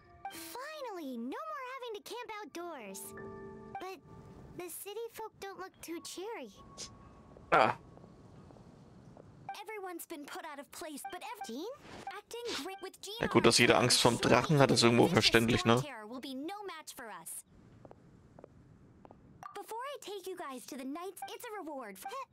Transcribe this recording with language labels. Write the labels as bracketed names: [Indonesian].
[English] Finally, no more having to camp outdoors. But the city folk don't look too cheery. Ah. Everyone's been put out of place, but Jean? Acting great with Jean. [German] Ja gut, dass jeder Angst vom Drachen hat, ist irgendwo verständlich, ne? [English] Before I take you guys to the Knights, it's a reward for...